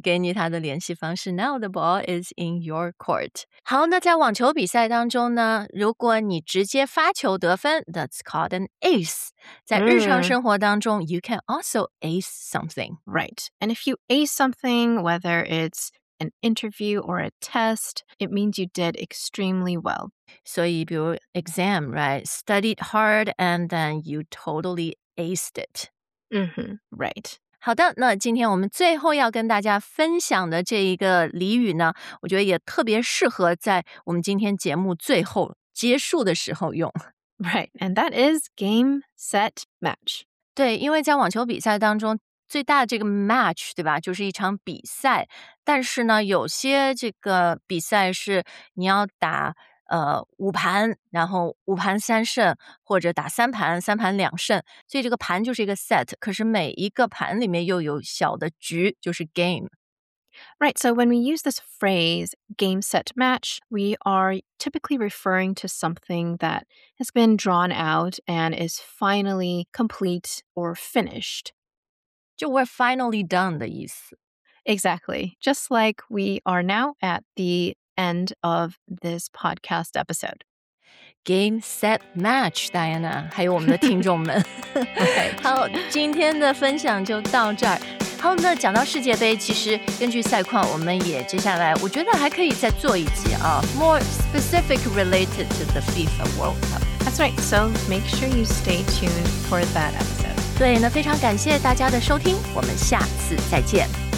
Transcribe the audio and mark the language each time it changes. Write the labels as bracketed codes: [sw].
[zh] 给你他的联系方式 [en] Now the ball is in your court [zh] 好那在网球比赛当中呢如果你直接发球得分 [en] That's called an ace [zh] 在日常生活当中、mm. [en] You can also ace something Right And if you ace something Whether it's an interview or a test It means you did extremely well [zh] 所以比如 [en] exam right Studied hard and then you totally aced it Mm-hmm, right. [zh] 好的那今天我们最后要跟大家分享的这一个俚语呢我觉得也特别适合在我们今天节目最后结束的时候用。 [en] Right, and that is game, set, match. [zh] 对因为在网球比赛当中最大的这个 match, 对吧就是一场比赛。但是呢有些这个比赛是你要打五盘然后五盘三胜或者打三盘三盘两胜所以这个盘就是一个 set 可是每一个盘里面又有小的局就是 game [en] Right, so when we use this phrase game set match we are typically referring to something that has been drawn out and is finally complete or finished [zh] 就 [en] we're finally done [zh] 的意思 [en] Exactly, just like we are now at the end of this podcast episode. game, set, match, [zh] Diana, 还有我们的听众们。 [en] okay. [zh] 好，今天的分享就到这儿。好，那讲到世界杯，其实根据赛况，我们也接下来我觉得还可以再做一集啊 ， [en] more specific related to the FIFA World Cup. That's right. So make sure you stay tuned for that episode. [zh] 对，那非常感谢大家的收听，我们下次再见。